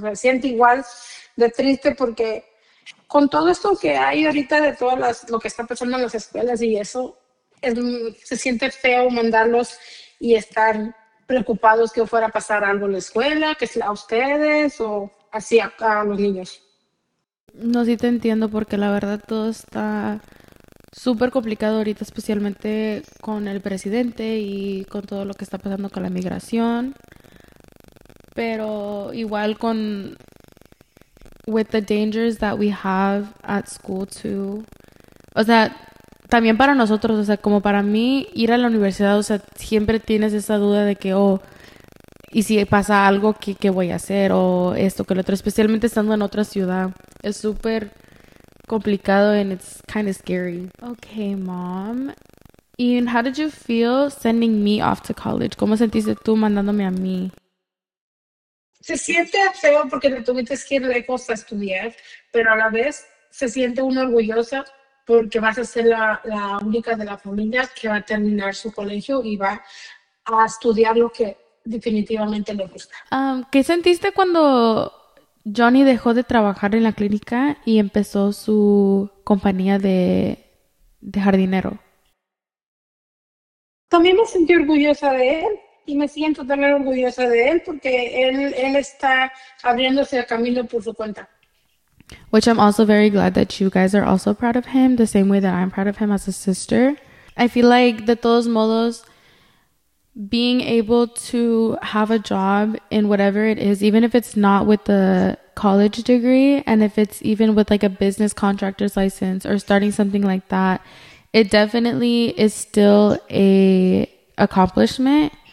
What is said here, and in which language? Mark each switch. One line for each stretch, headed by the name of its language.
Spanish: Se siente igual de triste porque con todo esto que hay ahorita de todas las, lo que está pasando en las escuelas y eso, se siente feo mandarlos y estar preocupados que fuera a pasar algo en la escuela, que sea a ustedes o así a los niños. No, sí te entiendo porque la verdad todo está súper complicado ahorita, especialmente con el presidente y con todo lo que está pasando con la migración. Pero igual con...
English: with the dangers that we have at school too.
Spanish: O sea, también para nosotros, o sea, como para mí, ir a la universidad, o sea, siempre tienes esa duda de que, oh, ¿y si pasa algo, qué voy a hacer? O esto, que lo otro, especialmente estando en otra ciudad. Es súper complicado
English: and it's kind of scary. Okay, mom. And how did you feel sending me off to college?
Spanish: ¿Cómo sentiste tú mandándome a mí? Se siente feo porque te tuviste que ir lejos a estudiar, pero a la vez se siente uno orgullosa porque vas a ser la única de la familia que va a terminar su colegio y va a estudiar lo que definitivamente le gusta. ¿Qué sentiste cuando Johnny dejó de trabajar en la clínica y empezó su compañía de jardinero? También me sentí orgullosa de él y me siento también orgullosa de él porque él está abriéndose el camino por su cuenta.
English: Which I'm also very glad that you guys are also proud of him, the same way that I'm proud of him as a sister. I feel like,
Spanish: de todos modos,
English: being able to have a job in whatever it is, even if it's not with the college degree, and if it's even with like a business contractor's license or starting something like that, it definitely is still a accomplishment.